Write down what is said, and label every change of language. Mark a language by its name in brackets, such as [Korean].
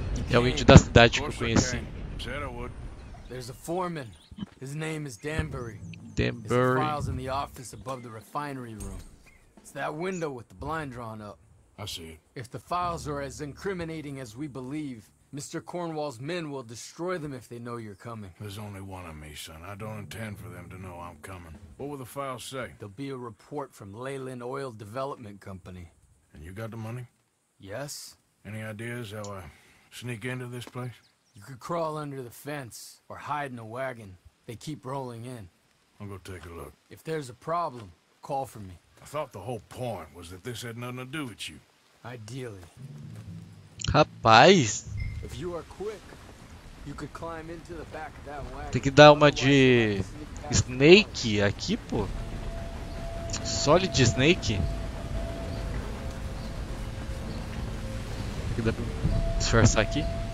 [Portuguese] É o índio da cidade que eu conheci. [English] There's a foreman. His name is Danbury. Danbury. His files in the office above the refinery room. It's that window with the blind drawn up. I see it. If the files are as incriminating as we believe, Mr. Cornwall's men will destroy them if they know you're coming. There's only one of me, son. I don't intend for them to know I'm coming. What will the files say? There'll be a report from Leyland Oil Development Company. And you got the money? Yes. Any ideas how I sneak into this place? You could crawl under the fence or hide in a wagon. They keep rolling in. I'll go take a look. If there's a problem, call for me. I thought the whole point was that this had nothing to do with you. Ideally. [Portuguese] Rapaz. [English] If you are quick, you could climb into the back of that wagon. [Portuguese] Tem que dar uma de Snake aqui, pô. Solid Snake. Dá pra disfarçar aqui.